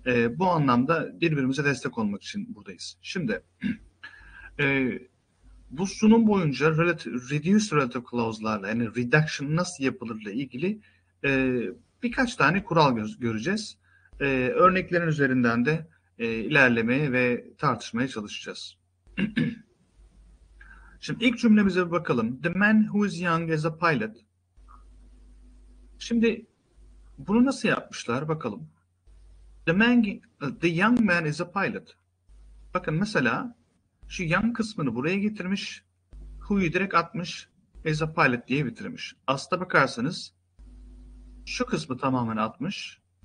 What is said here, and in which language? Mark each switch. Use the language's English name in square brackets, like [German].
[Turkish] Bu anlamda birbirimize destek olmak için buradayız. Şimdi bu sunum boyunca [English] reduce relative clause'larla, [Turkish] yani reduction nasıl yapılır ile ilgili birkaç tane kural göreceğiz. Örneklerin üzerinden de ilerlemeye ve tartışmaya çalışacağız. Şimdi ilk cümlemize bir bakalım. [English] The man who is young is a pilot. [Turkish] Şimdi bunu nasıl yapmışlar bakalım. [English] The young man is a pilot. [Turkish] Bakın mesela şu young kısmını buraya getirmiş. Who'yu direkt atmış. [English] Is a pilot [Turkish] diye bitirmiş. Aslına bakarsanız şu kısmı tamamen atmış.